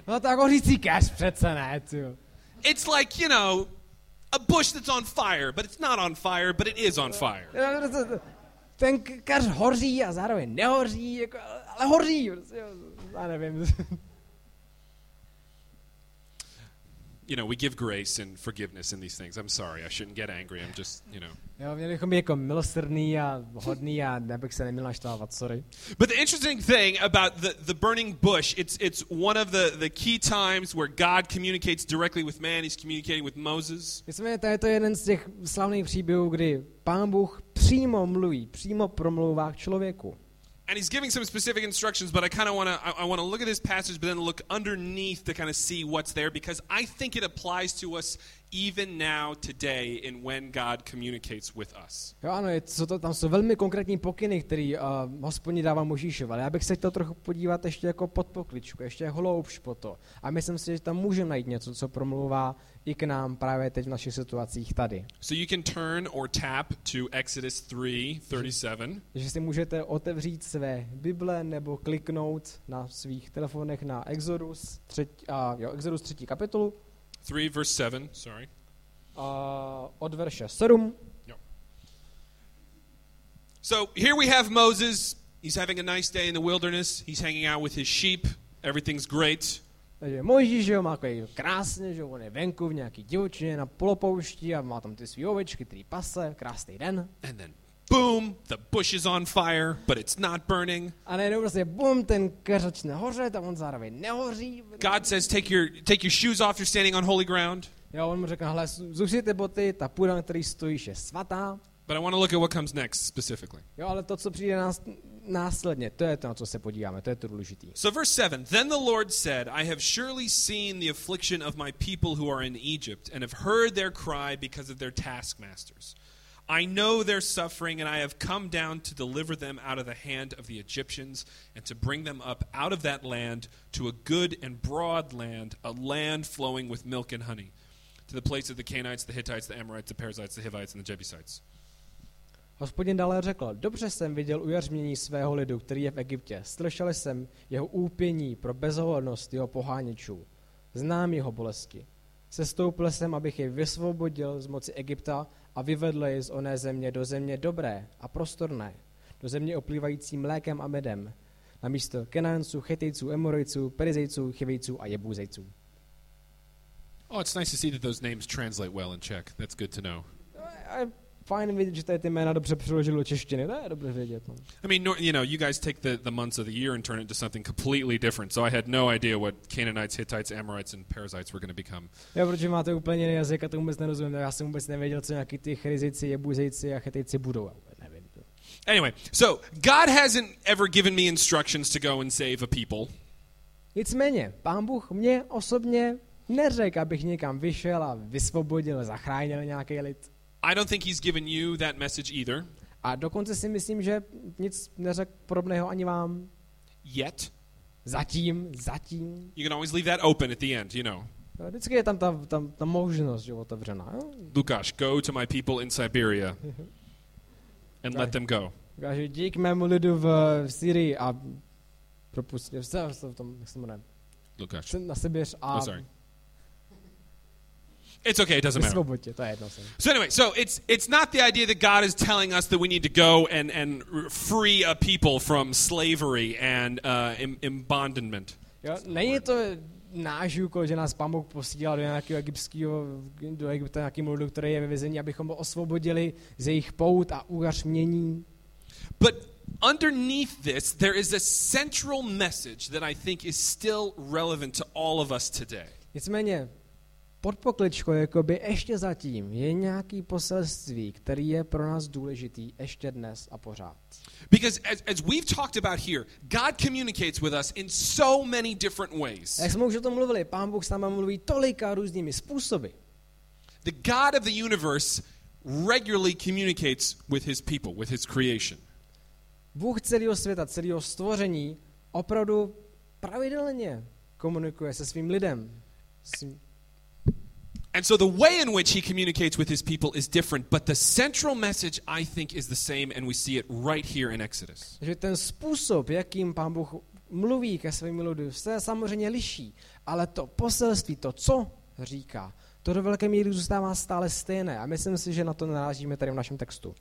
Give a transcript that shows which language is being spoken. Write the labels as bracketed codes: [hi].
[en] It's like, you know, a bush that's on fire, but it's not on fire, but it is on fire. [cs] Ten kař hoří a zároveň nehoří, ale hoří. Já nevím. [en] You know, we give grace and forgiveness in these things. I'm sorry, I shouldn't get angry. I'm just, you know. [cs] Jo, měli bychom být jako milosrdný a hodný a nebych se neměl naštávat, sorry. [en] But the interesting thing about the burning bush, it's one of the key times where God communicates directly with man. He's communicating with Moses. [cs] Myslím, to je to jeden z těch slavných příběhů, kdy Pán Bůh přímo mluví, přímo promlouvá k člověku. [en] And he's giving some specific instructions, but I kind of want to look at this passage, but then look underneath to kind of see what's there, because I think it applies to us even now today in when God communicates with us. [cs] Jo, ano, tam jsou velmi konkrétní pokyny, které Hospodin dává Mojžíšovi, ale já bych se chtěl trochu podívat ještě jako pod pokličku, ještě hloubš po to. A myslím si, že tam můžeme najít něco, co promluvá i k nám právě teď v našich situacích tady. [en] So you can turn or tap to Exodus 3:37. [cs] Že si můžete otevřít své Bible nebo kliknout na svých telefonech na Exodus 3. kapitolu. [en] 3 verse 7, sorry. [cs] Od verše 7. [en] Yep. So here we have Moses. He's having a nice day in the wilderness. He's hanging out with his sheep. Everything's great. [cs] Takže Mojžíš, že jo, má takový krásně, že jo, on je venku v nějaký divočině na polopoušti a má tam ty svý ovečky, který pase, krásný den. [en] And then, boom, the bush is on fire, but it's not burning. [cs] A nejde prostě, boom, ten keř začne hořet a on zároveň nehoří. [en] God says, take your shoes off, you're standing on holy ground. [cs] Jo, on mu řekne, hele, zuši ty boty, ta půda, na který stojíš, je svatá. [en] But I want to look at what comes next, specifically. [cs] Jo, ale to, co přijde nás... Následně, to je to, na co se podíváme, to je to důležitý. [en] So verse 7, then the Lord said, I have surely seen the affliction of my people who are in Egypt and have heard their cry because of their taskmasters. I know their suffering and I have come down to deliver them out of the hand of the Egyptians and to bring them up out of that land to a good and broad land, a land flowing with milk and honey, to the place of the Canaanites, the Hittites, the Amorites, the Perizzites, the Hivites and the Jebusites. [cs] Hospodin dále řekl, dobře jsem viděl ujařmění svého lidu, který je v Egyptě. Slyšel jsem jeho úpění pro bezohlednost jeho poháněčů. Znám jeho bolesti. Sestoupil jsem, abych je vysvobodil z moci Egypta a vyvedl je z oné země do země dobré a prostorné, do země oplývající mlékem a medem, na místo Kenánců, Chetejců, Emorejců, Perizejců, Chivejců a Jebuzejců. [en] Oh, it's nice to see that those names translate well in Czech. That's good to know. [cs] Fajn vidět, že tady ty jména dobře přeložili do češtiny. To je dobře vědět. No. [en] I mean, you know, you guys take the months of the year and turn it into something completely different. So I had no idea what Canaanites, Hittites, Amorites and Perizzites were going to become. [cs] Já, protože máte úplně jiný jazyk a to vůbec nerozumím. Já jsem vůbec nevěděl, co nějaký ty Chryzici, Jebuzejci a Chetejci budou. Nevím to. [en] Anyway, so God hasn't ever given me instructions to go and save a people. [cs] Nicméně, Pán Bůh mě osobně neřekl, abych někam vyšel a vysvobodil, zachránil nějaký lid. [en] I don't think he's given you that message either. [cs] A dokonce si myslím, že nic neřekl podobného ani vám. [en] Yet. [cs] Zatím. [en] You can always leave that open at the end, you know. [cs] No, vždycky je tam ta možnost, že otevřená. [en] Lukáš, go to my people in Siberia and let them go. [cs] Lukáš, jdi k mému lidu v Syrii a propust je vse v tom, jak se jmenuje. Lukáš. Na Sibiř a... [en] Oh, sorry. It's okay, it doesn't matter. So anyway, so it's not the idea that God is telling us that we need to go and free a people from slavery and imbondenment. [cs] Není to náš úkol, že nás Pán Bůh posílal do nějakého egyptského, do Egypta nějakým lidem, který je ve vězení, abychom ho osvobodili z jejich pout a ujařmění. [en] But underneath this, there is a central message that I think is still relevant to all of us today. [cs] Nicméně, pod pokličkou jakoby ještě zatím je nějaký poselství, který je pro nás důležitý ještě dnes a pořád. [en] Because as we've talked about here, God communicates with us in so many different ways. [cs] Jak jsme už o tom mluvili, Pán Bůh s námi mluví tolika různými způsoby. [en] The God of the universe regularly communicates with his people, with his creation. [cs] Bůh celého světa, celého stvoření opravdu pravidelně komunikuje se svým lidem. [en] And so the way in which he communicates with his people is different, but the central message I think is the same and we see it right here in Exodus. [cs] Že ten způsob, jakým Pán Bůh mluví ke svým lidu, se samozřejmě liší, ale to poselství, to co říká, to do velké míry zůstává stále stejné a myslím si, že na to narážíme tady v našem textu.